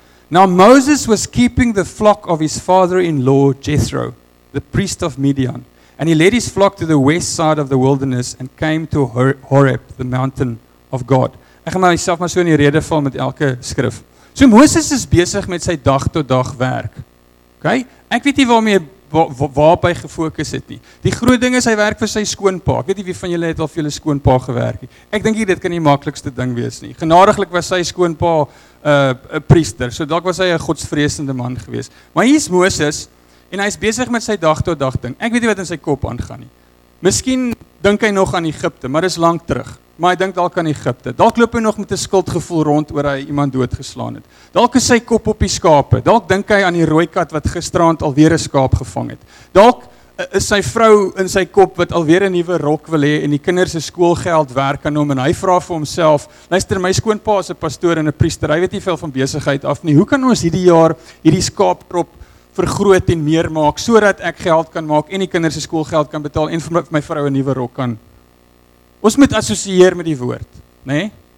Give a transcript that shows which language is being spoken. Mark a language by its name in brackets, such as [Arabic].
[English] Now Moses was keeping the flock of his father-in-law Jethro, the priest of Midian. And he led his flock to the west side of the wilderness and came to Horeb, the mountain of God. [Afrikaans] Ek gaan myself maar so in die rede val met elke skrif. So Moses is besig met sy dag tot dag werk. Okay? Ek weet nie waarmee waarop hy gefokus het nie. Die groot ding is hy werk vir sy skoonpa. Ek weet nie wie van julle het al vir julle skoonpa gewerk nie. Ek dink dit kan die maklikste ding wees nie. Genadiglik was sy skoonpa 'n priester. So dalk was hy 'n godsvreesende man gewees. Maar hier is Moses en hy is besig met sy dag tot dag ding. Ek weet nie wat in sy kop aangaan nie. Miskien dink hy nog aan Egipte, maar dis lank terug. Maar hy dink dalk aan Egipte. Dalk loop hy nog met 'n skuldgevoel rond oor hy iemand doodgeslaan het. Dalk is sy kop op die skape. Dalk dink hy aan die rooi kat wat gisteraand alweer 'n skaap gevang het. Dalk is sy vrou in sy kop wat alweer 'n nuwe rok wil hê en die kinders se skoolgeld werk aan hom en hy vra vir homself, luister, my skoonpa is 'n pastoor en 'n priester. Hy weet nie veel van besigheid af nie. Hoe kan ons hierdie jaar hierdie skaapkrop vergroot en meer maak sodat ek geld kan maak en die kinders se skoolgeld kan betaal en vir my vrou 'n nuwe rok kan? Ons moet assosieer met die woord, nê?